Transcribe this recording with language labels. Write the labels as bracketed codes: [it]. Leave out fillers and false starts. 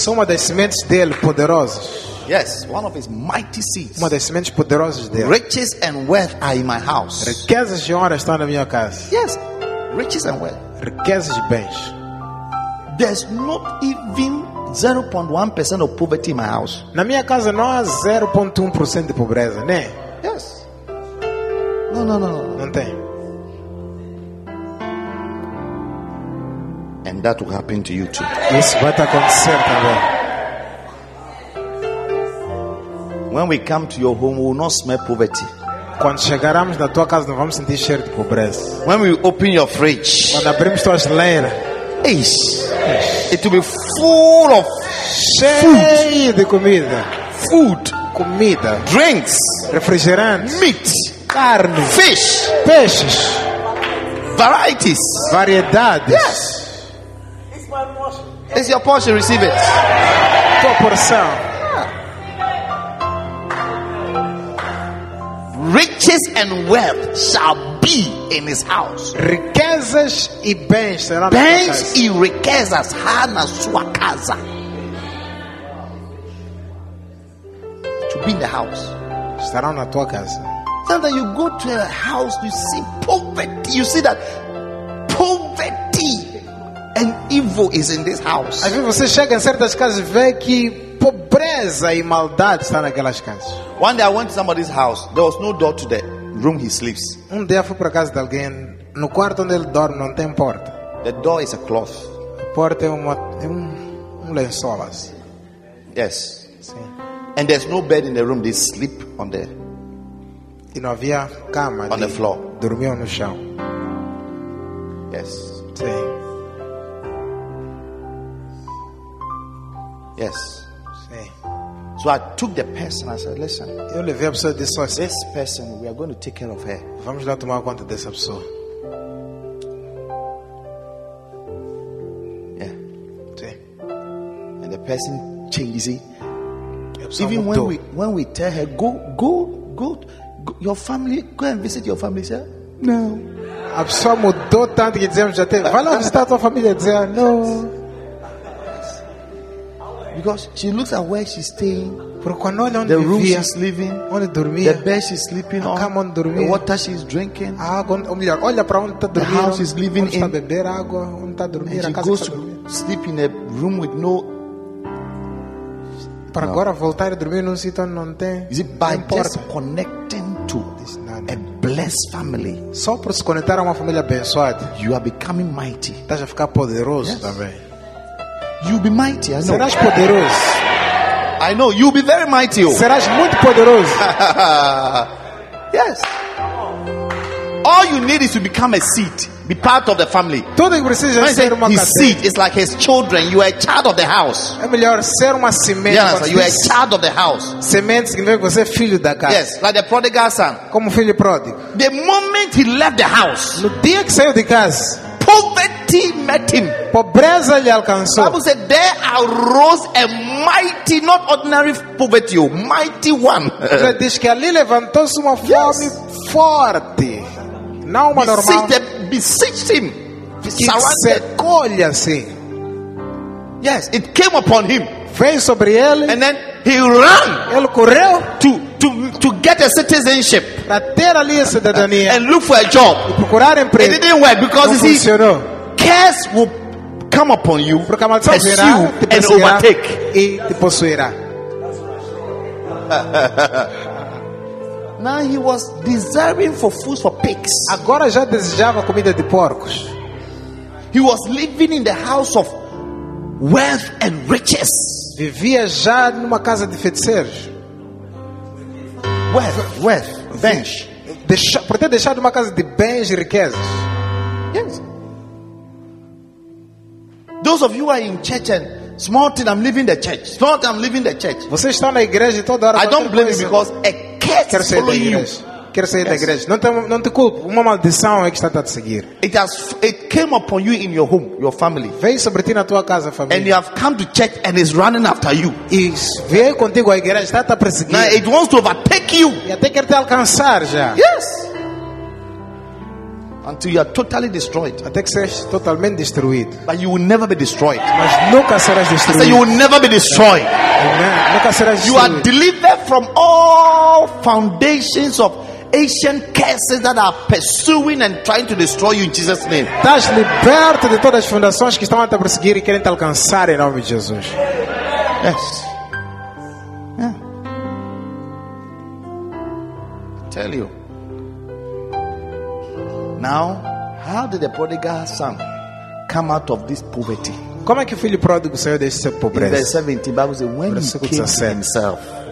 [pt] Sou uma das sementes dele poderosas. [en] Yes, one of his mighty seeds. [pt] Uma das sementes poderosas dele. [en] Riches and wealth are in my house. [pt] Riquezas e honra estão na minha casa. [en] Yes, riches and wealth. [pt] Riquezas e bens. [en] There's not even 0.1% of poverty in my house. [pt] Na minha casa não há 0.1% de pobreza, né? [en] Yes. No. [pt] Não tem. [en] And that will happen to you too. This what I concern about. When we come to your home, we will not smell poverty. [pt] Quando chegarmos na tua casa, não vamos sentir cheiro de pobreza. [en] When we open your fridge, [pt] quando abrimos tua geladeira, [en] it will be full of [pt] cheio de comida. [en] Food, [pt] comida. [en] Drinks, [pt] refrigerantes. [en] Meat, [pt] carne. [en] Fish, [pt] peixes. [en] Varieties, [pt] variedades. [en] Yes. It's your portion, receive it. [pt] Tua porção. [en] Riches and wealth shall be in his house. [pt] Riquezas e bens serão na bens casa. Bens e riquezas há na sua casa. [en] To be in the house. [pt] Estarão na tua casa. [en] Sometimes you go to a house, you see poverty. You see that poverty. And evil is in this house. [pt] Às vezes você chega em certas casas e vê que pobreza e maldade está naquelas casas. [en] One day I went to somebody's house. There was no door to the room he sleeps. [pt] Um dia fui para casa de alguém. No quarto onde ele dorme não tem porta. [en] The door is a cloth. [pt] A porta é um lençol assim. [en] Yes. [pt] Sim. [en] And there's no bed in the room. They sleep on the. [pt] E não havia cama. [en] On the floor. [pt] Dormiam no chão. [en] Yes. [pt] Sim. [en] Yes. [pt] Sim. [en] So I took the person. I said, "Listen." [pt] Eu levei a pessoa e disse, olha, [en] this person, we are going to take care of her. [pt] Vamos lá tomar conta dessa pessoa. [en] Yeah. [pt] Sim. [en] And the person changes it. Even [pt] mudou. [en] when we tell her, go, your family, go and visit your family, sir. No. [pt] A pessoa mudou tanto que dizemos já tem. Vai lá visitar tua família, dizer, no. [en] Because she looks at where she's staying, the room she's living, the bed she's sleeping on, the water she's drinking, the house she's living in. And she goes to sleep in a room with no. [pt] Para agora voltar a dormir num sítio onde não tem. [en] Is it by just connecting to a blessed family? [pt] Só por se conectar a uma família abençoada, [en] you are becoming mighty. [pt] Estás a ficar poderoso também. [en] You'll be mighty, I know. [pt] Serás poderoso. [en] I know you'll be very mighty. Oh. [pt] Serás muito poderoso. [en] Yes. All you need is to become a seed. Be part of the family. [pt] Tudo que precisa é ser uma [en] his seed is like his children. You are a child of the house. [pt] É melhor ser uma semente. [en] Yes, you are a child of the house. [pt] Semente significa que você é filho da casa. [en] Yes, like the prodigal son. [pt] Como filho pródigo. [en] The moment he left the house, [pt] no dia que saiu de casa, [en] poverty met him. [pt] Pobreza lhe alcançou. [en] Bible said there arose a mighty, not ordinary poverty, a mighty one. [pt] Diz que ali levantou-se uma fome forte. Não uma normal. [en] Beseeched him. Secolha-se. Yes, it came upon him. [pt] Veio sobre ele. [en] And then he ran. [pt] Ele correu. [en] To get a citizenship. [pt] Para ter ali a cidadania. [en] And look for a job. [pt] E procurar emprego. [en] It didn't work because [pt] não funcionou. [en] Curse will come upon you. [pt] Porque a maldição virá, te possuirá, [en] and overtake. [pt] E te possuirá. [en] Now he was deserving for food for pigs. [pt] Agora já desejava comida de porcos. [en] He was living in the house of wealth and riches. [pt] Vivia já numa casa de feiticeiros. [en] Wealth, bench. [pt] Por ter deixado uma casa de bens e riquezas. [en] Yes. Those of you who are in church and small thing, I'm leaving the church. Small thing, I'm leaving the church. [pt] Vocês estão na igreja toda hora. [en] I don't blame you because a [pt] quero sair da igreja. Quero sair da igreja. Não te culpo. Uma maldição é que está a te seguir. [en] It came upon you in your home, your family. [pt] Veio sobre ti na tua casa, família. [en] And you have come to church and is running after you. [pt] E veio contigo à igreja, está a perseguir. [en] Now it wants to overtake you. [pt] E até quer te alcançar já. [en] Yes. Until you are totally destroyed. [pt] Até que seres totalmente destruído. [en] But you will never be destroyed. [pt] Mas nunca serás destruído. [en] So you will never be destroyed. You are delivered from all foundations of ancient curses that are pursuing and trying to destroy you in Jesus' name. [pt] Estás liberto de todas as fundações que estão a te perseguir e querem te alcançar em nome de Jesus. [en] Yes. Yeah. I tell you. Now, how did the prodigal son come out of this poverty? [pt] Como é que o filho pródigo saiu desse pobreza? [en] Verse 17, Bible says, when he came to himself.